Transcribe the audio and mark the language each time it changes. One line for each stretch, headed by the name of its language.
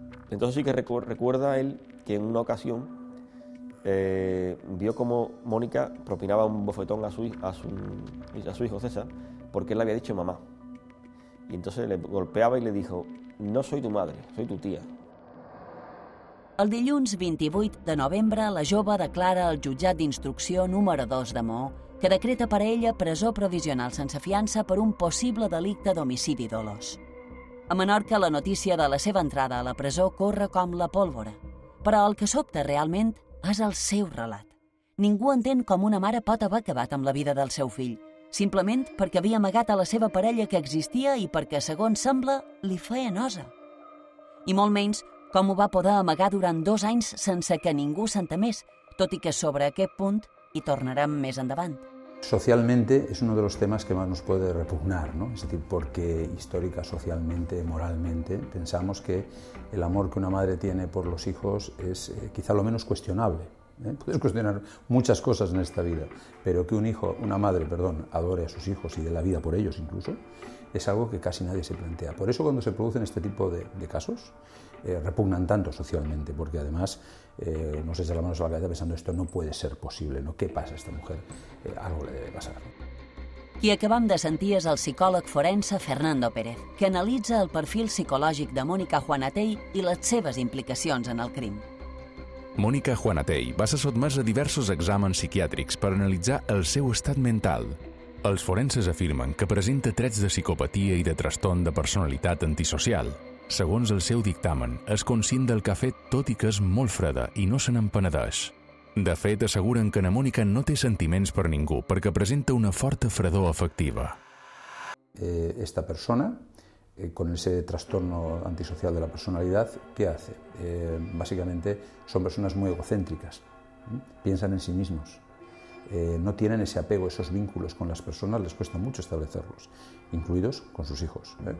Spanish: Entonces sí que recuerda él que en una ocasión vio cómo Mónica propinaba un bofetón a su hijo César porque él le había dicho mamá. Y entonces le golpeaba y le dijo, no soy tu madre, soy tu tía.
Catalan: El dilluns 28 de novembre, la jove declara al jutjat d'instrucció número 2 de Mó que decreta per a ella presó provisional sense fiança per un possible delicte d'homicidi dolós. A Menorca, la notícia de la seva entrada a la presó corre com la pólvora. Però el que sobta realment és el seu relat. Ningú entén com una mare pot haver acabat amb la vida del seu fill, simplement perquè havia amagat a la seva parella que existia i perquè, segons sembla, li feia nosa. I molt menys com ho va poder amagar durant 2 anys sense que ningú s'entemés, tot i que sobre aquest punt
Spanish: y tornarán más adelante. Socialmente es uno de los temas que más nos puede repugnar, ¿no? Es decir, porque histórica, socialmente, moralmente, pensamos que el amor que una madre tiene por los hijos es quizá lo menos cuestionable, Puedes cuestionar muchas cosas en esta vida, pero que un hijo, una madre, perdón, adore a sus hijos y dé la vida por ellos incluso, es algo que casi nadie se plantea. Por eso cuando se producen este tipo de casos, repugnan tanto socialmente, porque además no se echa la mano a la cabeza pensando esto no puede ser posible, ¿no? ¿Qué pasa a esta mujer? Algo le debe pasar.
Catalan: Qui acabam de sentir és el psicòleg forense Fernando Pérez, que analitza el perfil psicològic de Mònica Juanatey i les seves implicacions en el crim. Mònica Juanatey va ser sotmesa a diversos exàmens psiquiàtrics per analitzar el seu estat mental. Els forenses afirmen que presenta trets de psicopatia i de trastorn de personalitat antisocial. Segons el seu dictamen, és conscient del que ha fet, tot i que és molt freda i no se n'en penedeix. De fet, asseguren que na Mònica no té sentiments per ningú perquè presenta una forta fredor afectiva.
Spanish: Esta persona, con ese trastorno antisocial de la personalidad, ¿qué hace? Básicamente son personas muy egocéntricas, piensan en sí mismos, no tienen ese apego, esos vínculos con las personas, les cuesta mucho establecerlos, incluidos con sus hijos.